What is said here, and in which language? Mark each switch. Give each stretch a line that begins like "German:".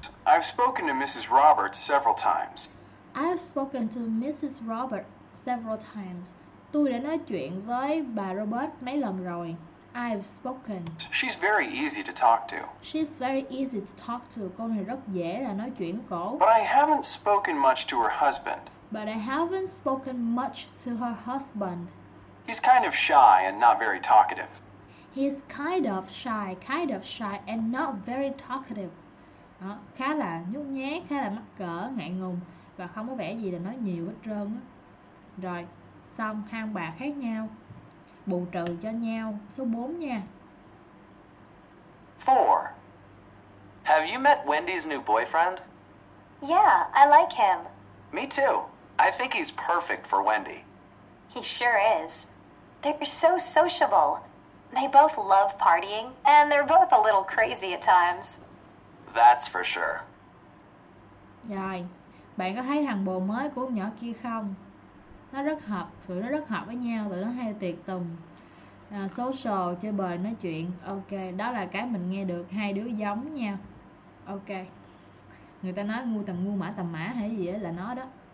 English: I've spoken to Mrs. Roberts several times. I've spoken to Mrs. Roberts several times.
Vietnamese: Tôi đã nói chuyện với bà Robert mấy lần rồi.
English: I've spoken. She's very easy to talk to. She's very easy to talk to.
Vietnamese: Cô này rất dễ là nói chuyện cổ.
English: But I haven't spoken much to her husband. But I haven't spoken much to her husband. He's kind of shy and not very talkative. He's kind of shy and not very talkative.
Vietnamese: Đó, khá là nhút nhát, khá là mắc cỡ, ngại ngùng và không có vẻ gì là nói nhiều hết trơn á. Rồi, xong hai ông bà khác nhau. Bù trừ cho nhau, số 4 nha.
English: 4. Have you met Wendy's new boyfriend? Yeah, I like him. Me too. I think he's perfect for Wendy. He sure is. They're so sociable. They both love partying, and they're both a little crazy at times. That's for sure.
Vietnamese: Rồi, bạn có thấy thằng bồ mới của ông nhỏ kia không? Nó rất hợp, tụi nó rất hợp với nhau, tụi nó hay tiệc tùng, social, chơi bời, nói chuyện. Ok, đó là cái mình nghe được, hai đứa giống nha. Ok, người ta nói ngu tầm mã hay gì là nó đó.